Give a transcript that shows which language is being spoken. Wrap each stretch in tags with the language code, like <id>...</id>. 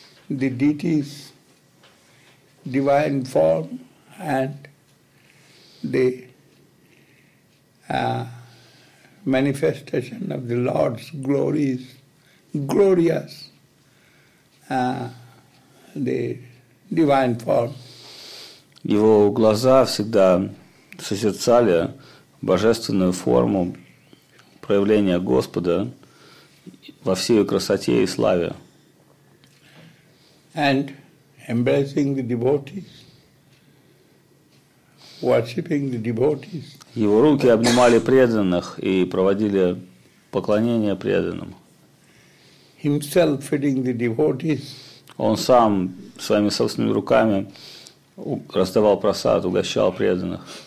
<en>The deities, divine form, and the manifestation of the Lord's glories, glorious, the divine form.</en> <ru>Его глаза всегда созерцали божественную форму проявления Господа во всей красоте и славе.</ru> <en>And embracing the devotees, worshipping the devotees.</en> <ru>Его руки обнимали преданных и проводили поклонение преданным.</ru> <en>Himself feeding the devotees.</en> <ru>Он сам своими собственными руками раздавал просад, угощал преданных.</ru>